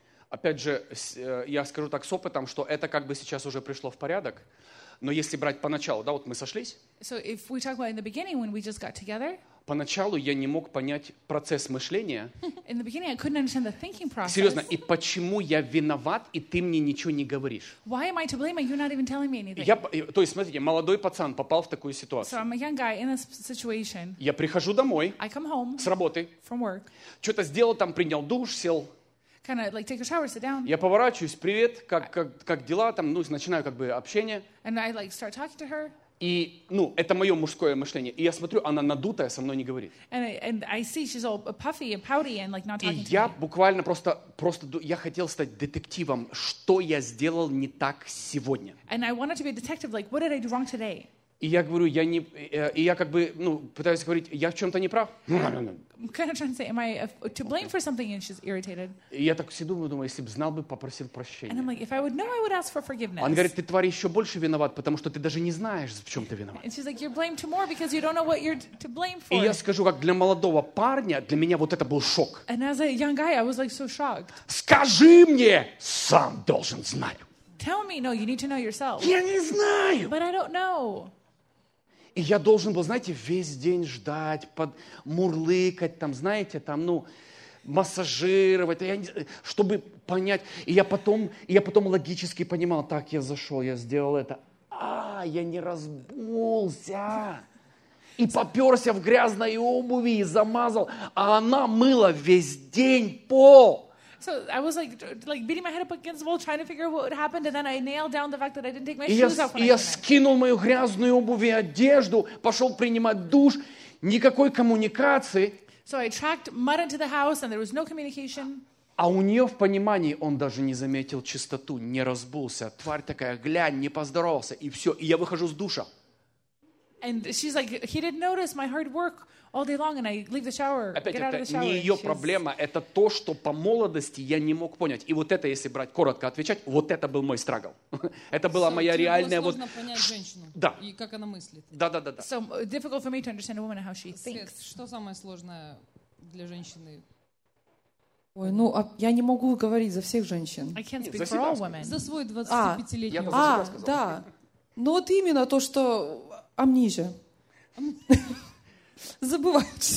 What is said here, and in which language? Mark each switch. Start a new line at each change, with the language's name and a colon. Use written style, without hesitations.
Russian: Опять же, я скажу так с опытом, что это как бы сейчас уже пришло в порядок. Но если брать поначалу, да, вот мы сошлись.
English: So if we talk about in the beginning when we just got together.
Russian: Поначалу я не мог понять процесс мышления.
English: In the beginning, I couldn't understand the thinking process.
Russian: Серьезно, и почему я виноват, и ты мне ничего не говоришь?
English: Why am I to blame? You're not even telling me anything.
Russian: То есть, смотрите, молодой пацан попал в такую ситуацию.
English: So I'm a young guy in this situation.
Russian: Я прихожу домой.
English: I come home.
Russian: С работы.
English: From work.
Russian: Что-то сделал там, принял душ, сел.
English: Kind of like take a shower, sit down.
Russian: Я поворачиваюсь, привет, как дела там, ну, начинаю как бы общение.
English: And I like start talking to her.
Russian: И, ну, это мое мужское мышление. И я смотрю, она надутая, со мной не говорит. И я буквально просто я хотел стать детективом, что я сделал не так сегодня.
English: And I wanted to be a detective, like, what did I do wrong today?
Russian: И я говорю, я не, и я как бы, ну, пытаюсь говорить, я в чем-то не прав.
English: I'm kind of trying to say, am I to blame for something? And she's irritated.
Russian: И я так все думаю, если бы знал бы, попросил прощения.
English: And I'm like, if I would know, I would ask for forgiveness.
Russian: Она говорит, ты, тварь, еще больше виноват, потому что ты даже не знаешь, в чем ты виноват.
English: And she's like, you're blamed more because you don't know what you're to blame for.
Russian: И я скажу, как для молодого парня, для меня вот это был шок.
English: And as a young guy, I was like so shocked.
Russian: Скажи мне, сам должен знать.
English: Tell me, no, you need to know yourself.
Russian: Я не знаю.
English: But I don't know.
Russian: И я должен был, знаете, весь день ждать, подмурлыкать, там, знаете, там, ну, массажировать, чтобы понять. И я потом логически понимал, так, я зашел, я сделал это. А, я не разбулся. И поперся в грязной обуви и замазал. А она мыла весь день пол.
English: So I was like beating my head up against the wall, trying to figure out what happened, and then I nailed down the fact that I didn't take my shoes off when I came in.
Russian: И я скинул мою грязную обувь и одежду, пошел принимать душ, никакой коммуникации.
English: So I tracked mud into the house, and there was no communication.
Russian: А у нее в понимании он даже не заметил чистоту, не разбулся, тварь такая, глянь, не поздоровался, и все, и я выхожу с душа.
English: And she's like, he didn't notice my hard work all day long, and I leave the shower.
Russian: Опять,
English: get out of the shower.
Russian: Не ее проблема, это то, что по молодости я не мог понять. И вот это, если брать коротко отвечать, вот это был мой страгл. Это была моя реальная вот. Сложно понять женщину. Да. И как она мыслит. Да.
English: So difficult for me to understand a woman and how she thinks.
Russian: Что самое сложное для женщины? Ой, ну, я не могу говорить за всех женщин.
English: I can't speak for all women.
Russian: За свой 25-летний. А, да. Ну вот именно то, что амнезия. Забывают.